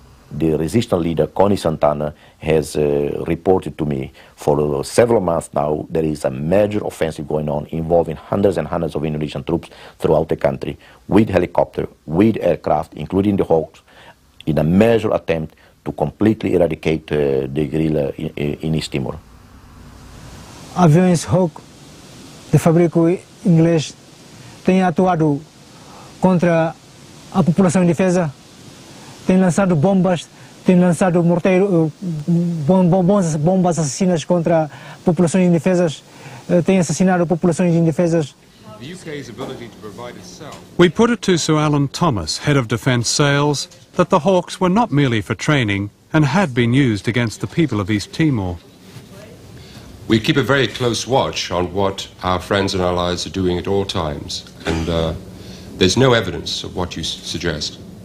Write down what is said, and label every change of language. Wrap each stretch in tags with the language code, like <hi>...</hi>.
<en>The resistance leader, Connie Santana, has reported to me for several months now there is a major offensive going on involving hundreds and hundreds of Indonesian troops throughout the country, with helicopter, with aircraft, including the Hawks, in a major attempt to completely eradicate the guerrilla in East Timor.</en> <pt>Aviões Hawk, de fabrico inglês, têm atuado contra a população indefesa. Tem lançado bombas, tem lançado morteiro, bombas assassinas contra populações indefesas, tem assassinado populações indefesas.</pt> <en>We put it to Sir Alan Thomas, head of defense sales, that the Hawks were not merely for training and had been used against the people of East Timor. We keep a very close watch on what our friends and allies are doing at all times, and there's no evidence of what you suggest.</en>